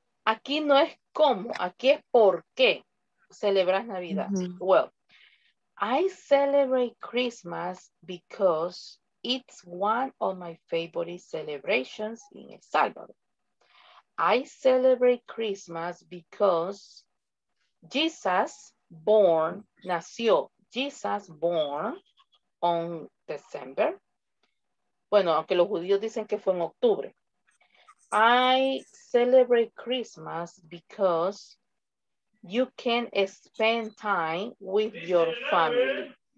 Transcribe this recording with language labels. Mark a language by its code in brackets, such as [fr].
[es] Aquí no es cómo, aquí es por qué celebras Navidad. Mm-hmm. [en] Well, I celebrate Christmas because it's one of my favorite celebrations in El Salvador. I celebrate Christmas because Jesus born, nació Jesus born on December. [es] Bueno, aunque los judíos dicen que fue en octubre. [en] I celebrate Christmas because you can spend time with your family.